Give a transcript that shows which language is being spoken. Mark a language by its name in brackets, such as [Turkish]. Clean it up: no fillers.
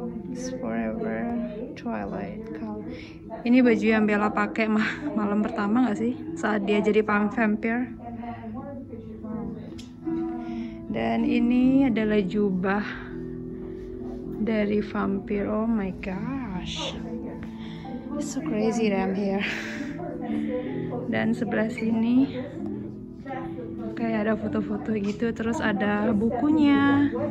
[English] It's forever Twilight. [Indonesian] Ini baju yang Bella pakai malam pertama nggak sih saat dia jadi vampir. Dan ini adalah jubah dari vampir. [English] Oh my gosh, it's so crazy that I'm here. [Indonesian] Dan sebelah sini kayak ada foto-foto gitu, terus ada bukunya.